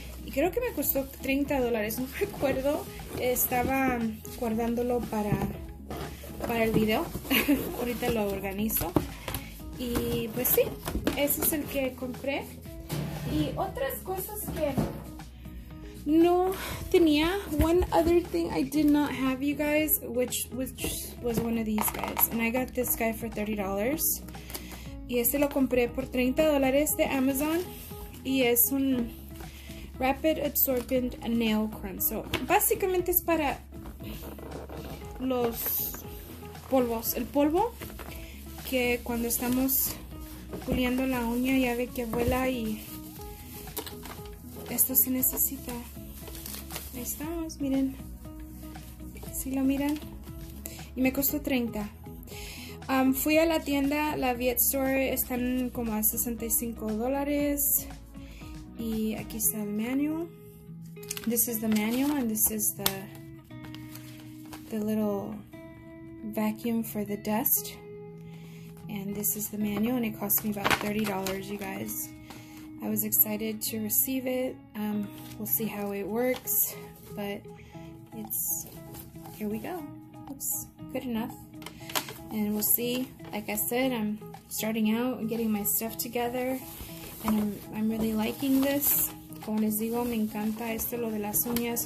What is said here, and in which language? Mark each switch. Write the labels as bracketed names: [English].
[Spanish] Y creo que me costó $30, no recuerdo. Estaba guardándolo para el video. Ahorita lo organizo. Y pues sí, ese es el que compré. Y otras cosas que no tenía. [English] One other thing I did not have, you guys, which was one of these guys. And I got this guy for $30. [Spanish] Y ese lo compré por $30 de Amazon. Y es un Rapid Absorbent Nail Crunch. So, básicamente es para los polvos. El polvo que cuando estamos puliendo la uña ya ve que vuela y esto se necesita. Ahí estamos, miren. Si lo miran. Y me costó $30. Fui a la tienda, la Viet Store, están como a $65. Y aquí está el manual. [English] This is the manual and this is the little vacuum for the dust. And this is the manual and it cost me about $30, you guys. I was excited to receive it. We'll see how it works. But it's, here we go. Oops, good enough. And we'll see. Like I said, I'm starting out and getting my stuff together. And I'm really liking this. [Spanish] Como les digo, me encanta esto lo de las uñas.